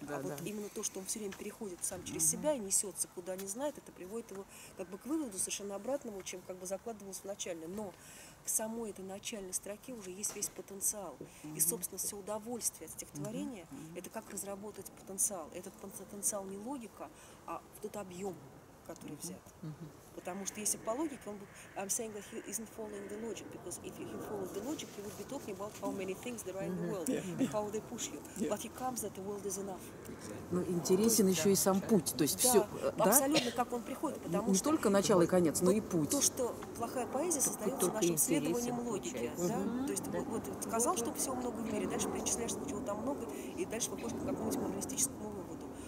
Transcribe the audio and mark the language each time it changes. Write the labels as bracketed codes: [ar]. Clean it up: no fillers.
[ru] Вот именно то, что он все время переходит сам через себя и несется, куда не знает, это приводит его как бы к выводу совершенно обратному, чем как бы закладывалось вначале. Но в самой этой начальной строке уже есть весь потенциал. И, собственно, все удовольствие от стихотворения это как разработать потенциал. Этот потенциал не логика, а тот объем, который взят. Потому что если по логике, он бы... [en] I'm saying that he isn't following the logic, because if he followed the logic, he would be talking about how many things there are in the world, and how they push you. But he comes that the world is enough. [ru] Ну, интересен еще и сам путь, то есть все, да? Абсолютно, как он приходит, потому что... Не только начало и конец, но и путь. То, что плохая поэзия создается нашим следованием логики, да? То есть вот сказал, что всего много в мире, дальше перечисляешь, что чего там много, и дальше выходишь к какому-нибудь моралистическому выводу.